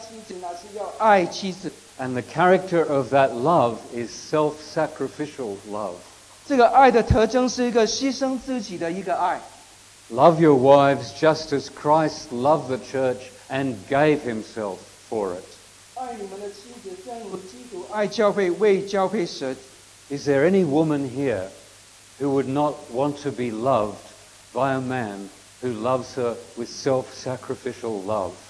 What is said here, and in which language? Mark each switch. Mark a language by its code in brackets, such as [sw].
[zh] 神给丈夫的信息是不要管家妻子，乃是要爱妻子。And [en] the character of that love is self-sacrificial love. [zh] 这个爱的特征是一个牺牲自己的一个爱。 [en] Love your wives just as Christ loved the church and gave himself for it. Is there any woman here who would not want to be loved by a man who loves her with self-sacrificial love?